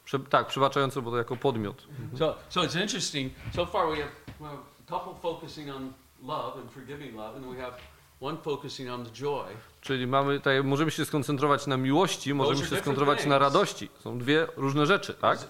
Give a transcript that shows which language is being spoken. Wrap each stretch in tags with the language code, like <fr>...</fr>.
<pl>Tak, przebaczające, bo to jako podmiot.</pl> <en>So it's interesting. So far we have a couple focusing on love and forgiving love, and we have one focusing on the joy.</en> <pl>Czyli mamy tutaj, możemy się skoncentrować na miłości, możemy się skoncentrować na radości. Są dwie różne rzeczy, tak?</pl>